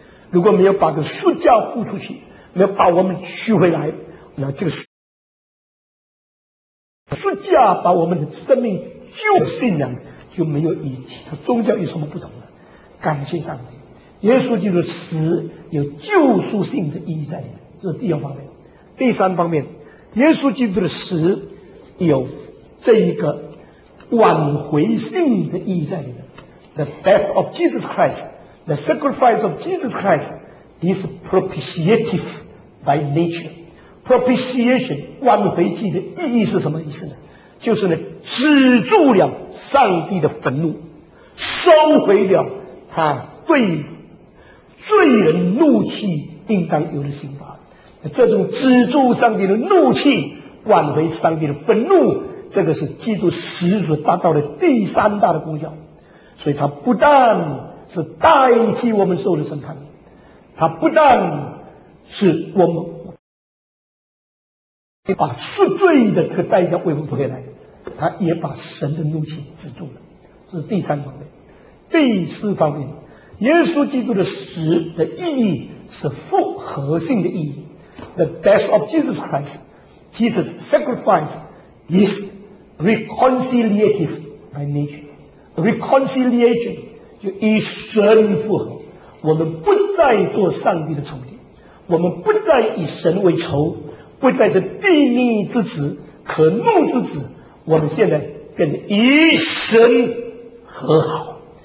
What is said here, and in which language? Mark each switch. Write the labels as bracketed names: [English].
[Chinese] 如果没有把这个赎价付出去，没有把我们取回来，那这个赎价把我们的生命救的信仰就没有意义，它宗教有什么不同了？感谢上帝，耶稣基督死有救赎性的意义在里面，这是第二方面。第三方面，耶稣基督的死有这一个挽回性的意义在里面。 [English] The death of Jesus Christ, the sacrifice of Jesus Christ is propitiative by nature. [Chinese] Propitiation, 挽回祭的意义是什么意思呢？就是呢，止住了上帝的愤怒，收回了他对罪人怒气应当有的刑罚。这种止住上帝的怒气，挽回上帝的愤怒，这个是基督死所达到的第三大的功效。所以他不但是代替我们受的审判，他不但是我们把赎罪的这个代价为我们回来，他也把神的怒气止住了。这是第三方面。第四方面，耶稣基督的死的意义是复合性的意义。 [English] The death of Jesus Christ, Jesus' sacrifice is reconciliative by nature. [Chinese] Reconciliation 就以神复合，我们不再做上帝的仇敌，我们不再以神为仇，不再是地逆之子、可怒之子，我们现在变成以神和好。